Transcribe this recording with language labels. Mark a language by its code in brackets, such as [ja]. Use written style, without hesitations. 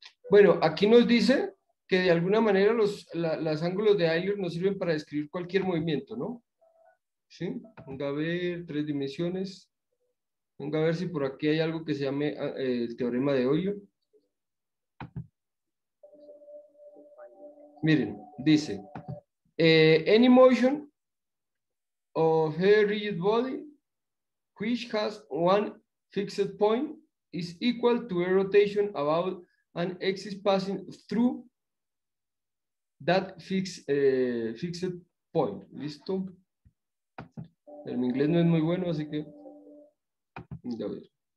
[es] Bueno, aquí nos dice que de alguna manera los ángulos de Euler nos sirven para describir cualquier movimiento, ¿no? Sí, venga a ver, tres dimensiones. Venga a ver si por aquí hay algo que se llame el teorema de Euler. Miren, dice, [en] any motion of a rigid body which has one fixed point is equal to a rotation about an axis passing through that fixed point. [es] ¿Listo? El inglés no es muy bueno, así que a ver.